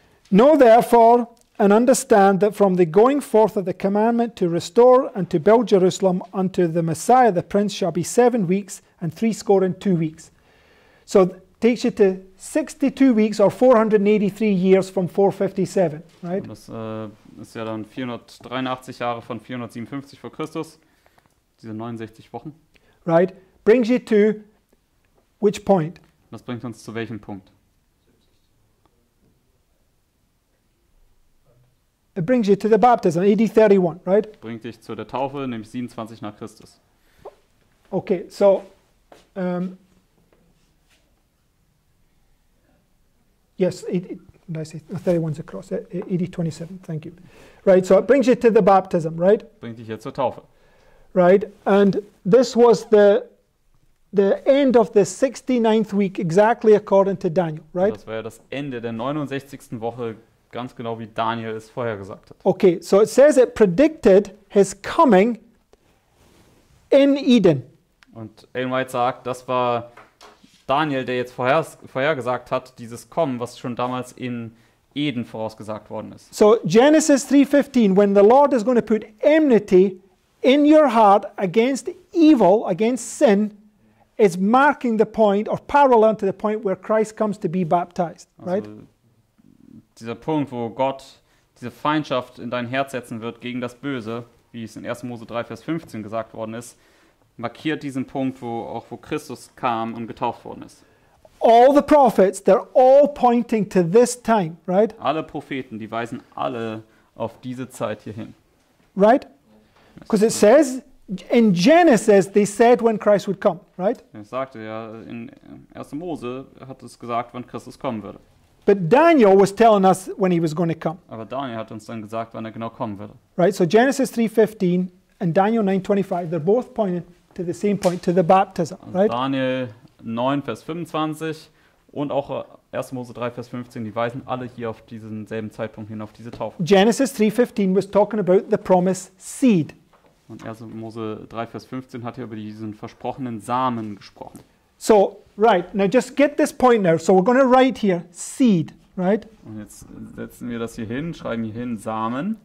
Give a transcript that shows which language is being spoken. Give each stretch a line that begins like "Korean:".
English: Know therefore and understand that from the going forth of the commandment to restore and to build Jerusalem unto the Messiah the Prince shall be 7 weeks and 62 weeks. So it takes you to 62 weeks or 483 years from 457, right?
German: Und das ist ja dann 483 Jahre von 457 vor Christus. Diese 69 Wochen.
English: Right. Brings you to which point?
German: Das bringt uns zu welchem Punkt?
English: It brings you to the baptism, AD 31, right?
German: Bringt dich zu der Taufe, nämlich 27 nach Christus.
English: Okay, so yes, AD 31 is across, AD 27, thank you. Right, so it brings you to the baptism, right?
German: Bringt dich jetzt zur Taufe.
English: Right, and this was the end of the 69th week, exactly according to Daniel, right?
German: Das war ja das Ende der 69. Woche, ganz genau wie Daniel es vorher gesagt hat.
English: Okay, so it says it predicted his coming in Eden.
German: Und Ellen White sagt, das war Daniel, der jetzt vorhergesagt hat, dieses Kommen, was schon damals in Eden vorausgesagt worden ist.
English: So Genesis 3:15, when the Lord is going to put enmity in your heart against evil, against sin, is marking the point or parallel to the point where Christ comes to be baptized, right?
German: Also, dieser Punkt, wo Gott diese Feindschaft in dein Herz setzen wird gegen das Böse, wie es in 1. Mose 3, Vers 15 gesagt worden ist, markiert diesen Punkt, wo Christus kam und getauft worden ist.
English: All the prophets, they're all pointing to this time, right?
German: Alle Propheten, die weisen alle auf diese Zeit hier hin.
English: Right? Because it says in Genesis they said when Christ would come, right?
German: Er sagte ja, in 1. Mose hat es gesagt, wann Christus kommen würde.
English: But Daniel was telling us when he was going to come.
German: Aber Daniel hat uns dann gesagt, wann er genau kommen würde.
English: Right, so Genesis 3:15 and Daniel 9:25, they're both pointing to the same point, to the baptism, right?
German: Daniel 9, Vers 25 und auch 1. Mose 3, Vers 15, die weisen alle hier auf diesen selben Zeitpunkt hin, auf diese Taufe.
English: Genesis 3:15 was talking about the promised seed.
German: Und 1. Mose 3, Vers 15 hat hier über diesen versprochenen Samen gesprochen.
English: So, right, now just get this point now. So we're going to write here, seed, right?
German: Und jetzt setzen wir das hier hin, schreiben hier hin, Samen.